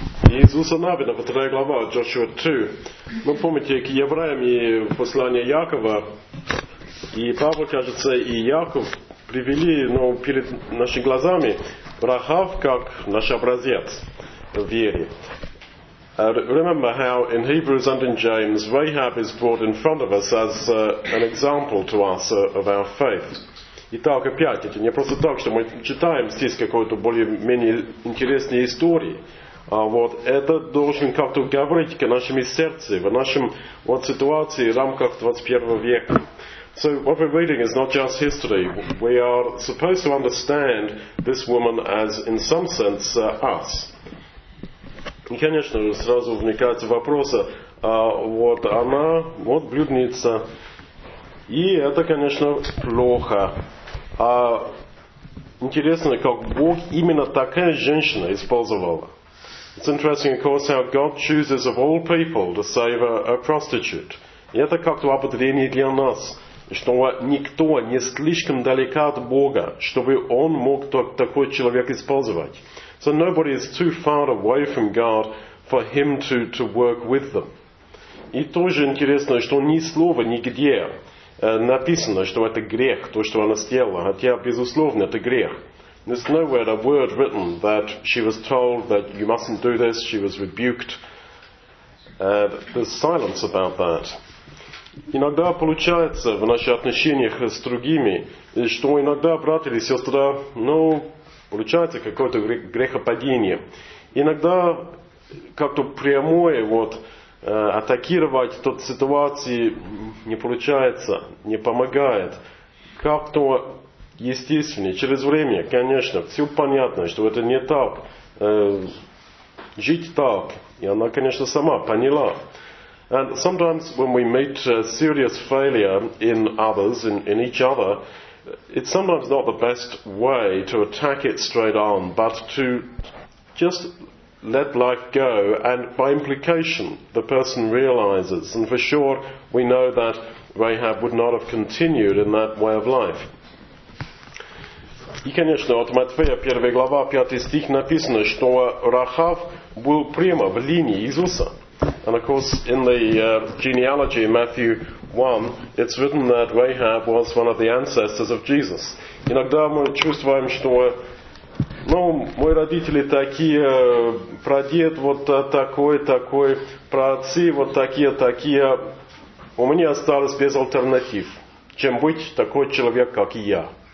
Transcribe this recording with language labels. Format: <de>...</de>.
<ru>Иисуса Навина, 2 глава, Джошуа 2. Вы помните, к евреям и послание Якова, и Павел, кажется, и Яков привели, ну, перед нашими глазами Рахав как наш образец веры.</ru> <en>Remember how in Hebrews and in James, Rahab is brought in front of us as an example to us of our faith.</en> <ru>Итак, опять, это не просто так, что мы читаем здесь какую-то более-менее интересную историю. А вот это должен как-то говорить к нашему сердцу, в нашем вот ситуации, в рамках 21 века.</ru> <en>So what we're reading is not just history. We are supposed to understand this woman as, in some sense, us.</en> <ru>И, конечно же, сразу вникается вопрос, вот она, вот блюдница. И это, конечно, плохо. А интересно, как Бог именно такая женщина использовала.</ru> <en>It's interesting, of course, how God chooses of all people to save a prostitute.</en> <ru>И это как-то ободрение для нас, что никто не слишком далека от Бога, чтобы Он мог такой человек использовать.</ru> <en>So nobody is too far away from God for Him to work with them.</en> <ru>И тоже интересно, что ни слова нигде написано, что это грех, то, что она сделала. Хотя, безусловно, это грех.</ru> <en>There's nowhere a word written that she was told that you mustn't do this, she was rebuked. There's silence about that.</en> <ru>Иногда получается в наших отношениях с другими, что иногда, братья или сестры, ну, получается какое-то грехопадение. Иногда как-то прямое вот атакировать тот ситуации не получается, не помогает. Как-то естественно, через время, конечно, все понятно, что это не так. Жить так. И она, конечно, сама поняла.</ru> <en>And sometimes when we meet serious failure in others, in each other, it's sometimes not the best way to attack it straight on, but to just let life go, and by implication, the person realizes. And for sure, we know that Rahab would not have continued in that way of life.</en> <ru>И, конечно, от Матфея, 1 глава, 5 стих написано, что Рахав был прямо в линии Иисуса.</ru> <en>And of course, in the genealogy, Matthew 1, it's written that Rahab was one of the ancestors of Jesus.</en> <ru>Иногда мы чувствуем, что, ну, мои родители такие, прадед вот такой, праотцы вот такие. У меня осталось без альтернатив, чем быть такой человек, как и я.</ru>